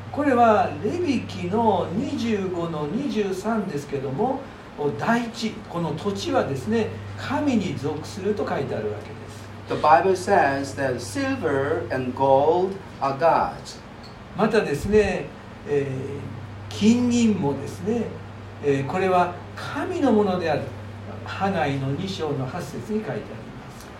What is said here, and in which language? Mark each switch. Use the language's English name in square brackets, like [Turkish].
[Japanese] これはレビ記の 25-23 ですけども、大地、この土地はですね、神に属すると書いてあるわけです。 [English] The Bible says that silver and gold are God's. [Japanese] またですね、金銀もですね、これは神のものである、ハガイの2章の8節に書いてあります。